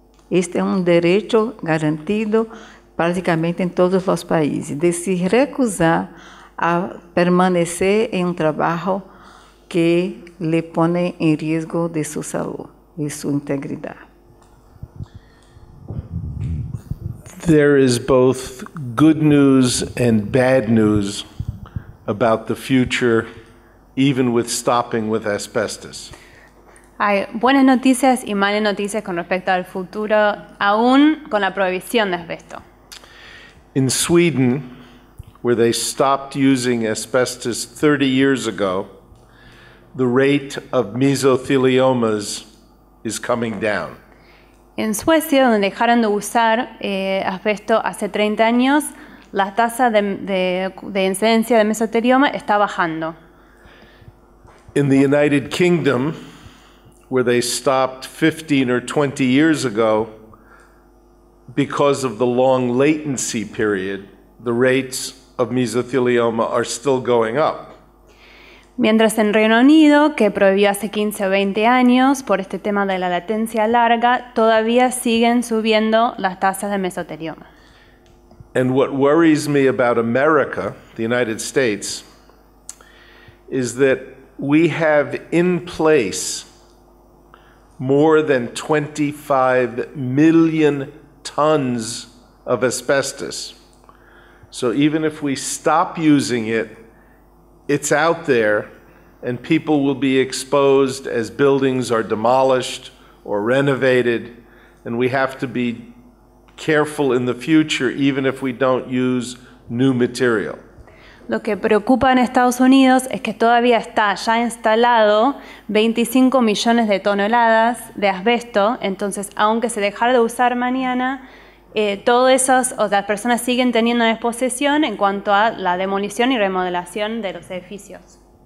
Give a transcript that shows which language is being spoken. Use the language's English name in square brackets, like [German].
[Spanish] Este es un derecho garantido prácticamente en todos los países, de se recusar a permanecer en un trabajo que le pone en riesgo de su salud y su integridad. [English] There is both good news and bad news about the future, even with stopping with asbestos. [Spanish] Hay buenas noticias y malas noticias con respecto al futuro, aún con la prohibición de asbesto. [English] In Sweden, where they stopped using asbestos 30 years ago, the rate of mesotheliomas is coming down. [Spanish] En Suecia, donde dejaron de usar asbesto hace 30 años, la tasa de incidencia de mesotelioma está bajando. [English] In the United Kingdom, where they stopped 15 or 20 years ago, because of the long latency period, the rates of mesothelioma are still going up. [Spanish] Mientras en Reino Unido, que prohibió hace 15 o 20 años por este tema de la latencia larga, todavía siguen subiendo las tasas de mesotelioma. [English] And what worries me about America, the United States, is that we have in place more than 25 million tons of asbestos. So even if we stop using it, it's out there, and people will be exposed as buildings are demolished or renovated, and we have to be careful in the future, even if we don't use new material. [Spanish] Lo que preocupa en Estados Unidos es que todavía está ya instalado 25 millones de toneladas de asbesto. Entonces, aunque se dejara de usar mañana, todas esas, o sea, personas siguen teniendo exposición en cuanto a la demolición y remodelación de los edificios.